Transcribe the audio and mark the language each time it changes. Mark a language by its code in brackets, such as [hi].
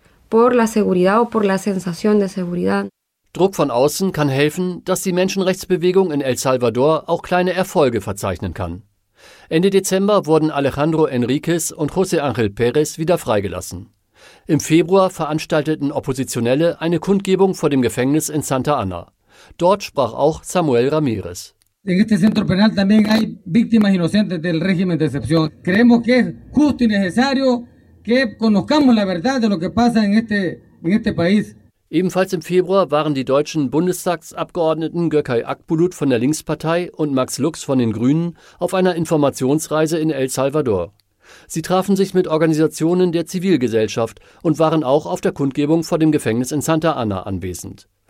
[de] Druck von außen kann helfen, dass die Menschenrechtsbewegung in El Salvador auch kleine Erfolge verzeichnen kann. Ende Dezember wurden Alejandro Enriquez und José Ángel Pérez wieder freigelassen. Im Februar veranstalteten Oppositionelle eine Kundgebung vor dem Gefängnis in Santa Ana. Dort sprach auch Samuel Ramírez. [es] En este centro penal también hay víctimas inocentes del régimen de excepción. Creemos que es justo y necesario que conozcamos la verdad de lo que pasa en este país. [de] Ebenfalls im Februar waren die deutschen Bundestagsabgeordneten Gökay Akbulut von der Linkspartei und Max Lux von den Grünen auf einer Informationsreise in El Salvador. Sie trafen sich mit Organisationen der Zivilgesellschaft und waren auch auf der Kundgebung vor dem Gefängnis in Santa Ana anwesend.